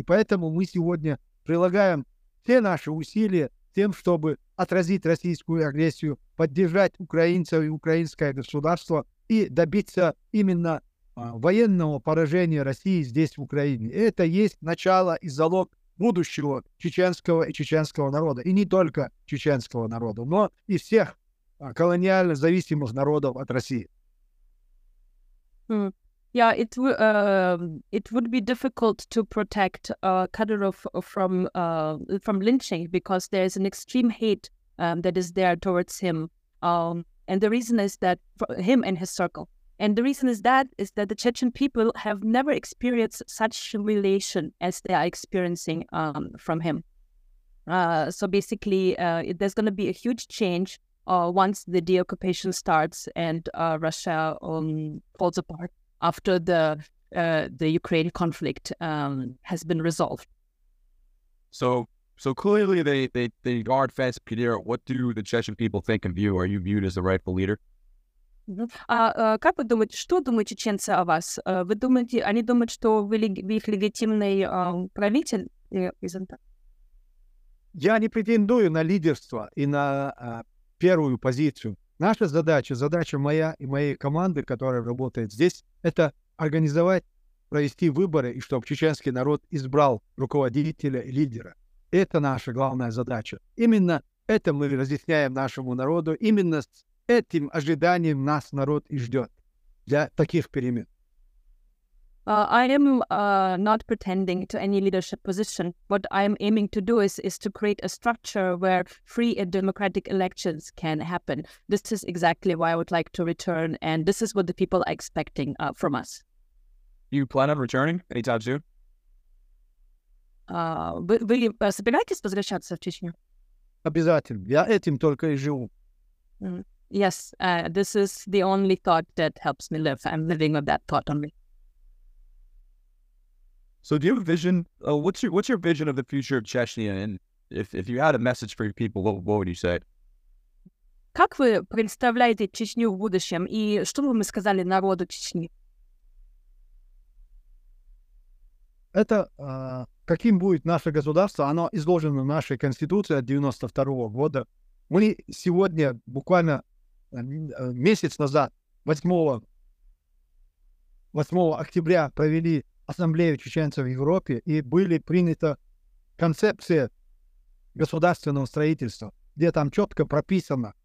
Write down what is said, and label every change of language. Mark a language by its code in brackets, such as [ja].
[ru] И поэтому мы сегодня прилагаем все наши усилия тем, чтобы отразить российскую агрессию, поддержать украинцев и украинское государство и добиться именно военного поражения России здесь, в Украине. Это есть начало и залог будущего чеченского и чеченского народа. И не только чеченского народа, но и всех колониально зависимых народов от России. [en] Yeah, it would be difficult to protect Kadyrov from lynching because there is an extreme hate that is there towards him. And the reason is that for him and his circle. And the reason is that the Chechen people have never experienced such humiliation as they are experiencing from him. So basically, there's going to be a huge change once the deoccupation starts and Russia falls apart. After the Ukraine conflict has been resolved. So clearly they guard fast Pierre. What do the Chechen people think of you? Are you viewed as the rightful leader? [ru] Как вы думаете, что думают чеченцы о вас? Вы думаете, они думают, что вы их легитимный правитель? Я не претендую на лидерство и на первую позицию. Наша задача, задача моя и моей команды, которая работает здесь, это организовать, провести выборы, и чтобы чеченский народ избрал руководителя и лидера. Это наша главная задача. Именно это мы разъясняем нашему народу. Именно с этим ожиданием нас народ и ждет для таких перемен. [en] I am not pretending to any leadership position. What I am aiming to do is to create a structure where free and democratic elections can happen. This is exactly why I would like to return, and this is what the people are expecting from us. You plan on returning anytime soon? [ru] Вы собираетесь возвращаться в Чечню? Обязательно. Я этим только и живу. [en] Yes, this is the only thought that helps me live. I'm living with that thought only. So do you have a vision? What's your vision of the future of Chechnya? And if you had a message for your people, what would you say? [ru] Как вы представляете Чечню в будущем? И что бы мы сказали народу Чечни? Это каким будет наше государство? Оно изложено в нашей Конституции от 92 года. Мы сегодня, буквально месяц назад, 8 октября провели Ассамблею чеченцев в Европе, и были приняты концепции государственного строительства, где там четко прописано.